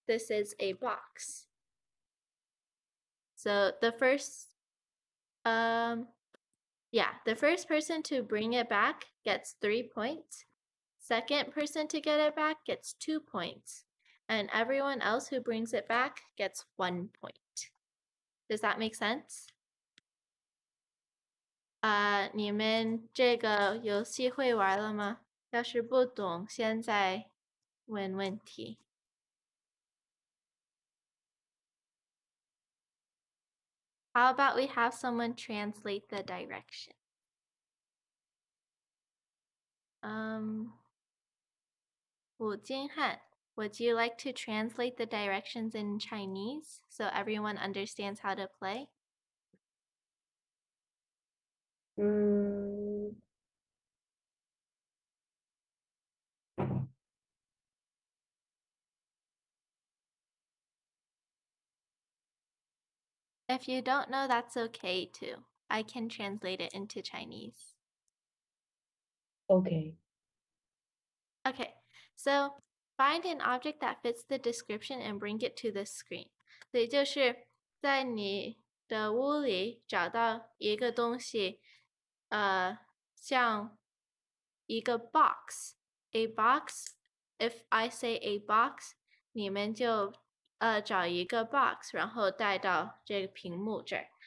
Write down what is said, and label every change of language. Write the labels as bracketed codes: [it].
[en] This is a box. So the first, the first person to bring it back gets 3 points. Second person to get it back gets 2 points. And everyone else who brings it back gets 1 point. Does that make sense? [zh] 你们这个游戏会玩了吗？要是不懂，现在问问题。 [en] How about we have someone translate the direction? Wu Jinghan, would you like to translate the directions in Chinese so everyone understands how to play? If you don't know, that's okay too. I can translate it into Chinese. Okay. Okay, so find an object that fits the description and bring it to the screen. [zh] 所以就是在你的屋里找到一个东西，像一个 box. [en] A box, if I say a box, [zh] 你们就找一个 box, 然后带到这个屏幕这儿。